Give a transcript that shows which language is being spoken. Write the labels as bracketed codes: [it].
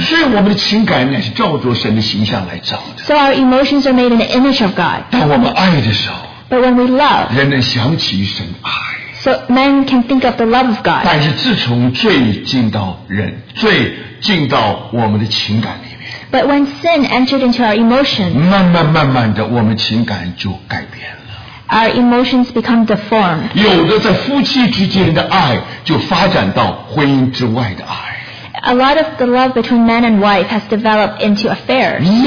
[zh] 是我们的情感乃是照着神的形象来造的, [en] so our emotions are made in the image of God. [zh] 当我们爱的时候, [en] but when we love, [zh] 人能想起神爱, [en] so men can think of the love of God. [zh] 但是自从罪进到人, 罪进到我们的情感里, [en] but when sin entered into our emotions, [zh] 慢慢的我们情感就改变了, [en] our emotions become deformed. [zh] 有的在夫妻之间的爱就发展到婚姻之外的爱, [en] a lot of the love between man and wife has developed into affairs.